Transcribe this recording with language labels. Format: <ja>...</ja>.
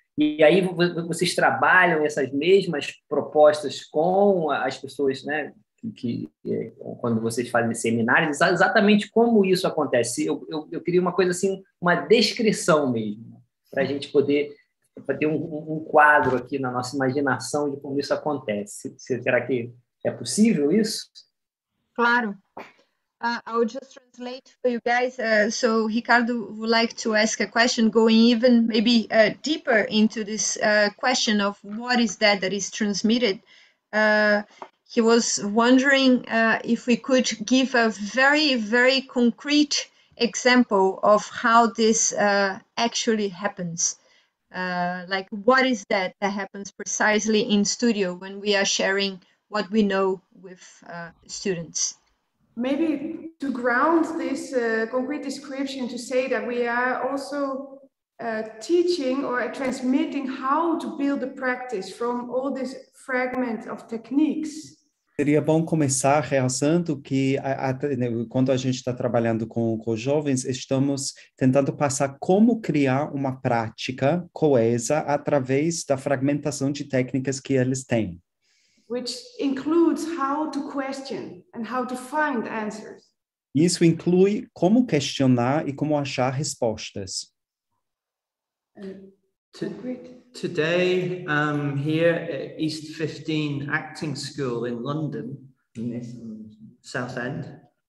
<pt>E aí vocês trabalham essas mesmas propostas com as pessoas, né, que quando vocês fazem seminários, exatamente como isso acontece. Eu queria uma coisa assim, uma descrição mesmo, para a gente poder ter um quadro aqui na nossa imaginação de como isso acontece. Será que é possível isso? Claro.</pt> <en>I'll just translate for you guys. So Ricardo would like to ask a question going even maybe deeper into this question of what is that is transmitted. He was wondering if we could give a very, very concrete example of how this actually happens. Like what is that happens precisely in studio when we are sharing what we know with students? Maybe to ground this concrete description, to say that we are also teaching or transmitting how to build the practice from all this fragment of techniques.</en> <pt>Seria bom começar realçando que quando a gente está trabalhando com jovens, estamos tentando passar como criar uma prática coesa através da fragmentação de técnicas que eles têm.</pt> <en>Which includes how to question and how to find answers.</en> <pt>Isso inclui como questionar e como achar respostas.</pt> <en>Today, here at East 15 Acting School in London, South End.</en>